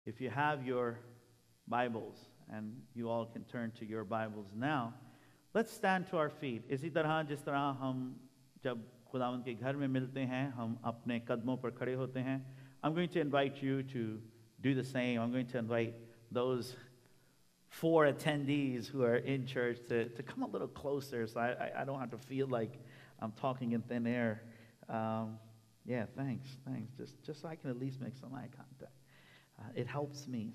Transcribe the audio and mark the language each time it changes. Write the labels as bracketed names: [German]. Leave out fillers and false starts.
[English] If you have your Bibles, and you all can turn to your Bibles now, let's stand to our feet. [Hindi] इसी तरह जिस तरह हम जब खुदावन के घर में मिलते हैं, हम अपने कदमों पर खड़े होते हैं. [English] I'm going to invite you to do the same. I'm going to invite those four attendees who are in church to come a little closer, so I don't have to feel like I'm talking in thin air. Thanks. Just so I can at least make some eye contact. It helps me.